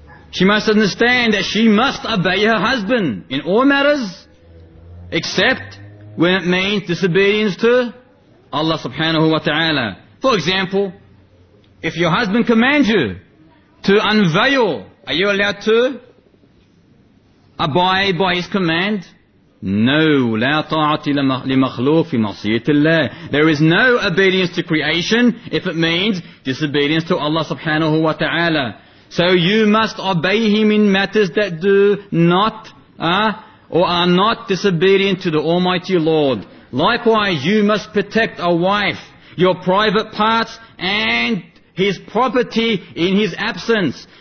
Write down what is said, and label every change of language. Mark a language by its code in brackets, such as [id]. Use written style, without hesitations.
[en] She must understand that she must obey her husband in all matters, except when it means disobedience to Allah subhanahu wa ta'ala. For example, if your husband commands you to unveil, are you allowed to abide by his command? [ar] No, لا طاعة لمخلوق في معصية الله. [en] There is no obedience to creation if it means disobedience to Allah subhanahu wa ta'ala. So you must obey him in matters that do not, or are not disobedient to the Almighty Lord. Likewise, you must protect a wife, your private parts, and his property in his absence.